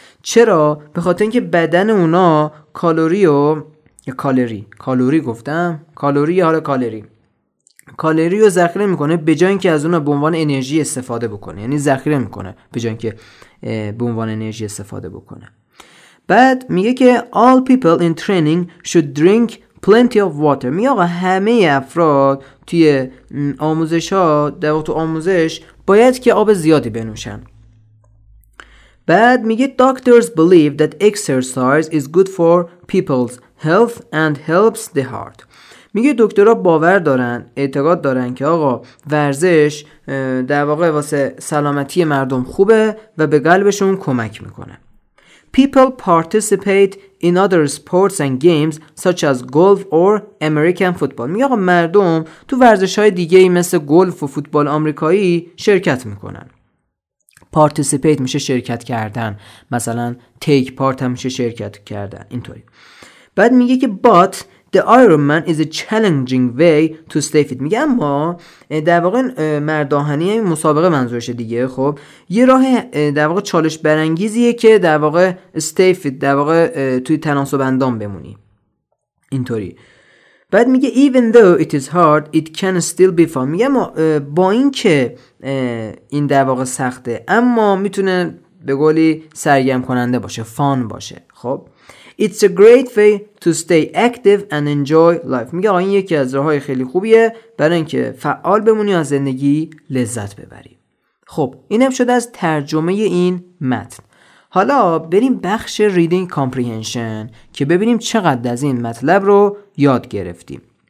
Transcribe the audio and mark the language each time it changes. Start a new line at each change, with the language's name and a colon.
Persian: چرا؟ به خاطر اینکه بدن اونا کالوری و یا کالری، کالوری گفتم، کالری یا حالا کالری، کالری رو ذخیره میکنه به جای اینکه از اون به عنوان انرژی استفاده بکنه، یعنی ذخیره میکنه به جای اینکه به عنوان انرژی استفاده بکنه. بعد میگه که
English: all people in training should drink plenty of water.
Persian: میگه آقا همه افراد توی آموزش ها در وقت آموزش باید که آب زیادی بنوشن. بعد میگه
English: doctors believe that exercise is good for people's health and helps the heart.
Persian: میگه دکترها باور دارن، اعتقاد دارن که آقا ورزش در واقع واسه سلامتی مردم خوبه و به قلبشون کمک میکنه.
English: People participate in other sports and games such as golf or American football.
Persian: میگه آقا مردم تو ورزش‌های دیگه‌ای مثل گلف و فوتبال آمریکایی شرکت میکنن. Participate میشه شرکت کردن، مثلا
English: take part
Persian: هم میشه شرکت کردن اینطوری. بعد میگه که
English: but the Ironman is a challenging way to stay fit.
Persian: میگه اما در واقع مردآهنی مسابقه منظورشه دیگه، خب یه راه در واقع چالش برانگیزیه که در واقع
English: stay fit،
Persian: در واقع توی تناسب اندام بمونی اینطوری. بعد میگه
English: even though it is hard it can still be fun.
Persian: میگه اما با این که این در واقع سخته اما میتونه به قولی سرگرم کننده باشه، فان باشه.
English: خب It's a great way to stay active and enjoy life.
Persian: میگه آقا این یکی از راه‌های خیلی خوبیه برای اینکه فعال بمونی و از زندگی لذت ببری. خب اینم شده از ترجمه این متن. حالا بریم بخش
English: reading comprehension
Persian: که ببینیم چقدر از این مطلب رو یاد گرفتیم.